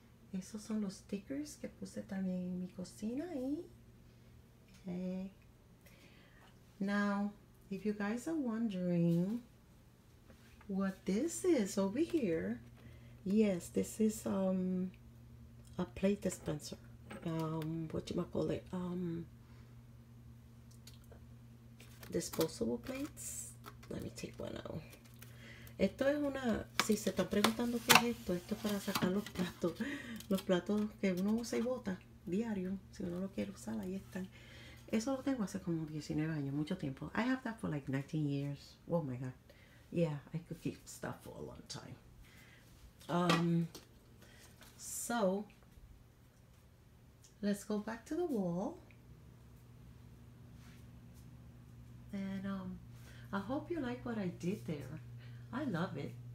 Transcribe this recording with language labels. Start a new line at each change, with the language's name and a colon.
Spanish: Esos son los stickers que puse también en mi cocina y okay.
English: Now, if you guys are wondering what this is over here, yes, this is a plate dispenser. What you might call it? Disposable plates. Let me take one out.
Spanish: Esto es una, si se están preguntando qué es esto, esto es para sacar los platos que uno usa y bota diario, si uno lo quiere usar, ahí están. Eso lo tengo hace como 19 años, mucho tiempo.
English: I have that for like 19 years. Oh my God. Yeah, I could keep stuff for a long time. Let's go back to the wall. And I hope you like what I did there. I love it.